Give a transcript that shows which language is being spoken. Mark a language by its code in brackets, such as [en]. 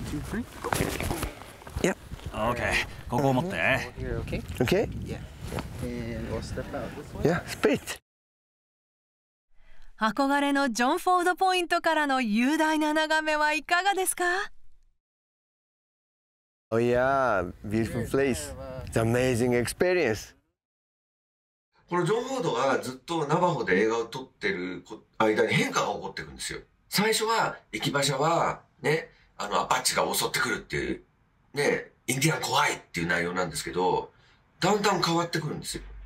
[ja] OK、ここを持って。 [en] OK、 Yeah、スピリット。 [ja] 憧れのジョン・フォードポイントからの雄大な眺めはいかがですか？ [en] Oh yeah, beautiful place. It's amazing experience. [ja] このジョン・フォードがずっとナバホで映画を撮ってる間に変化が起こってくるんですよ。最初は行き場所はね、あのアパッチが襲ってくるっていう、ね、インディアン怖いっていう内容なんですけど、だんだん変わってくるんですよ。